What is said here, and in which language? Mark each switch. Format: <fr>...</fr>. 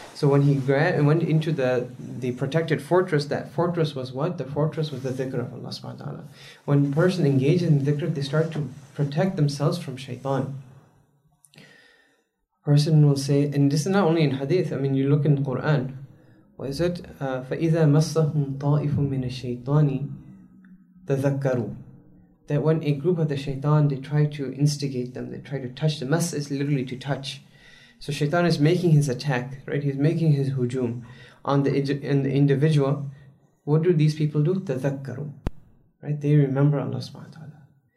<en>So when he went into the protected fortress, that fortress was what? The fortress was the dhikr of Allah subhanahu wa ta'ala. When a person engages in dhikr, they start to protect themselves from shaitan. Person will say, and this is not only in hadith, I mean, you look in Quran, Was it</en> <ar>فَإِذَا مَسَّهُمْ طَائِفٌ مِّنَ الشَّيْطَانِ تَذَكَّرُوا.</ar> <en>That when a group of the shaitan, they try to instigate them, they try to touch them. Mas is literally to touch. So shaitan is making his attack, right? He's making his hujum on the individual. What do these people do? تَذَكَّرُوا. Right? They remember Allah subhanahu wa ta'ala.</en>